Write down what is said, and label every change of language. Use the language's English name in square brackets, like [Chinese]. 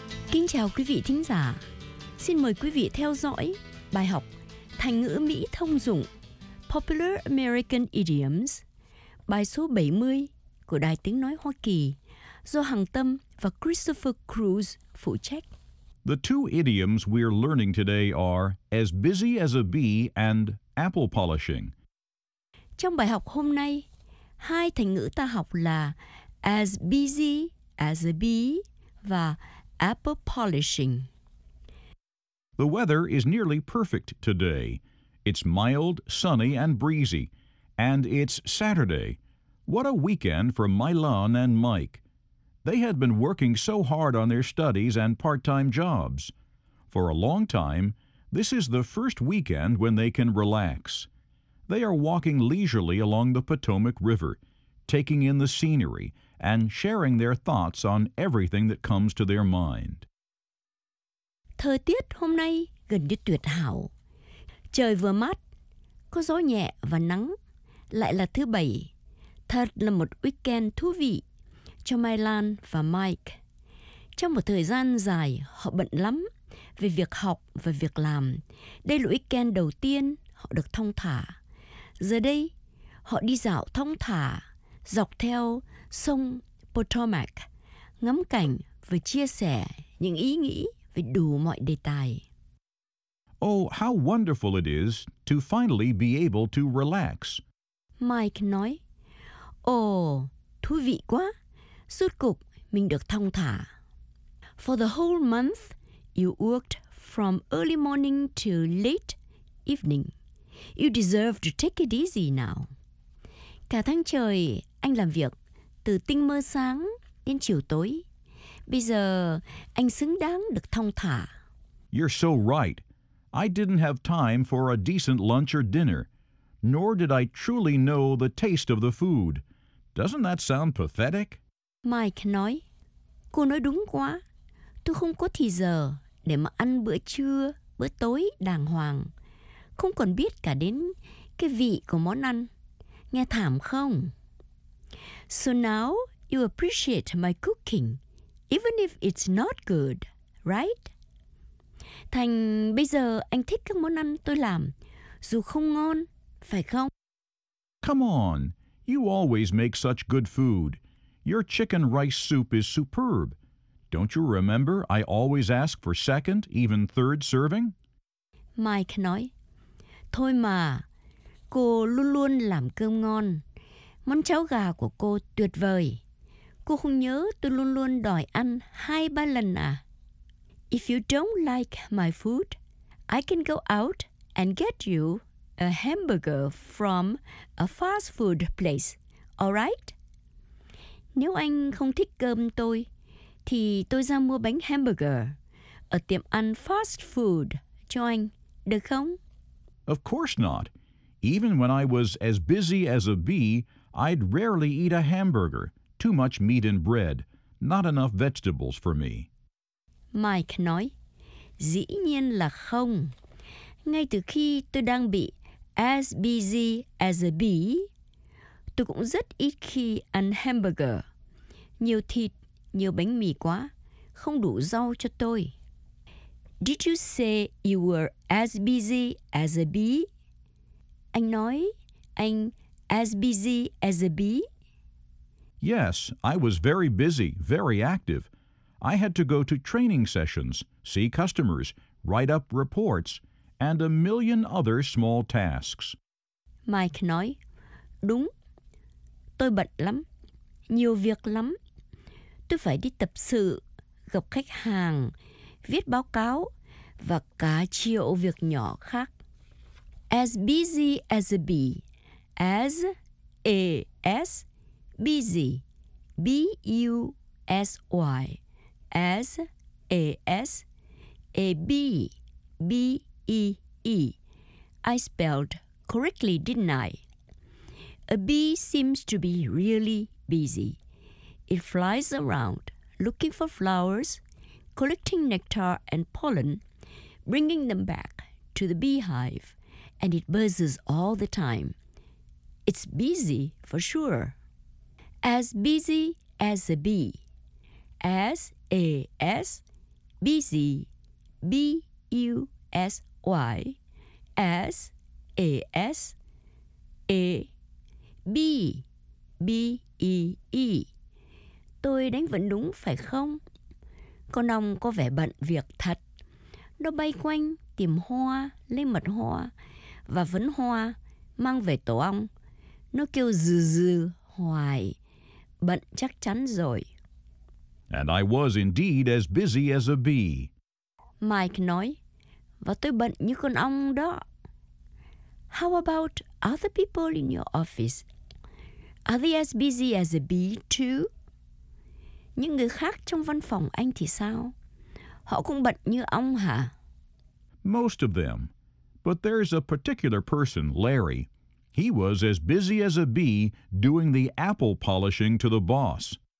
[Vietnamese] Kính chào quý vị thính giả. Xin mời quý vị theo dõi bài học thành ngữ Mỹ thông dụng Popular American Idioms, bài số 70 của Đài Tiếng Nói Hoa Kỳ, do Hằng Tâm và Christopher Cruz phụ trách. [English] The two idioms we're learning today are as busy as a bee and apple polishing. [Vietnamese] Trong bài học hôm nay, hai thành ngữ ta học là [English] as busy as a bee [Vietnamese] và [English] apple polishing. The weather is nearly perfect today. It's mild, sunny, and breezy. And it's Saturday. What a weekend for Mylon and Mike. They had been working so hard on their studies and part-time jobs. For a long time, this is the first weekend when they can relax. They are walking leisurely along the Potomac River, taking in the scenery and sharing their thoughts on everything that comes to their mind. [Vietnamese] Thời tiết hôm nay gần như tuyệt hảo. Trời vừa mát, có gió nhẹ và nắng. Lại là thứ bảy, thật là một weekend thú vị cho Mylan và Mike. Trong một thời gian dài, họ bận lắm về việc học và việc làm. Đây là weekend đầu tiên họ được thong thả. Giờ đây, họ đi dạo thong thả dọc theo sông Potomac, ngắm cảnh và chia sẻ những ý nghĩ về đủ mọi đề tài. [English] Oh, how wonderful it is to finally be able to relax. [Vietnamese] Mike nói, ồ, thú vị quá, rốt cục mình được thong thả. [English] For the whole month, you worked from early morning to late evening. You deserve to take it easy now. [Vietnamese] Cả tháng trời, anh làm việc, từ tinh mơ sáng đến chiều tối. Bây giờ, anh xứng đáng được thong thả. [English] You're so right. I didn't have time for a decent lunch or dinner, nor did I truly know the taste of the food. Doesn't that sound pathetic? [Vietnamese] Mike nói, cô nói đúng quá. Tôi không có thì giờ để mà ăn bữa trưa, bữa tối đàng hoàng. Không còn biết cả đến cái vị của món ăn. Nghe thảm không? [English] So now you appreciate my cooking, even if it's not good, right? [Vietnamese] Thành, bây giờ anh thích các món ăn tôi làm, dù không ngon, phải không? [English] Come on, you always make such good food. Your chicken rice soup is superb. Don't you remember I always ask for second, even third serving? [Vietnamese] Mike nói, thôi mà, cô luôn luôn làm cơm ngon. Món cháo gà của cô tuyệt vời. Cô không nhớ tôi luôn luôn đòi ăn hai ba lần à? [English] If you don't like my food, I can go out and get you a hamburger from a fast food place, all right? [Vietnamese] Nếu anh không thích cơm tôi, thì tôi ra mua bánh hamburger ở tiệm ăn fast food cho anh, được không? [English] Of course not. Even when I was as busy as a bee, I'd rarely eat a hamburger. Too much meat and bread. Not enough vegetables for me. [Vietnamese] Mike nói, dĩ nhiên là không. Ngay từ khi tôi đang bị [English] as busy as a bee, [Vietnamese] tôi cũng rất ít khi ăn hamburger. Nhiều thịt, nhiều bánh mì quá, không đủ rau cho tôi. [English] Did you say you were as busy as a bee? [Vietnamese] Anh nói, anh [English] as busy as a bee? Yes, I was very busy, very active. I had to go to training sessions, see customers, write up reports, and a million other small tasks. [Vietnamese] Mike nói, đúng, tôi bận lắm, nhiều việc lắm. Tôi phải đi tập sự, gặp khách hàng, viết báo cáo, và cả triệu việc nhỏ khác. [English] As busy as a bee, as a s busy, b u s y, as a s a b b e e. I spelled correctly, didn't I? A bee seems to be really busy. It flies around looking for flowers, collecting nectar and pollen, bringing them back to the beehive. And it buzzes all the time. It's busy for sure. As busy as a bee. As a s busy, b u s y, as a s a b b e e. [Vietnamese] Tôi đánh vần đúng phải không? Con ong có vẻ bận việc thật. Nó bay quanh tìm hoa, lấy mật hoa. Và vấn hoa, mang về tổ ong. Nó kêu dư dư, hoài. Bận chắc chắn rồi. [English] And I was indeed as busy as a bee. [Vietnamese] Mike nói, và tôi bận như con ong đó. [English] How about other people in your office? Are they as busy as a bee too? [Vietnamese] Những người khác trong văn phòng anh thì sao? Họ cũng bận như ong hả? [English] Most of them. But there's a particular person, Larry. He was as busy as a bee doing the apple polishing to the boss.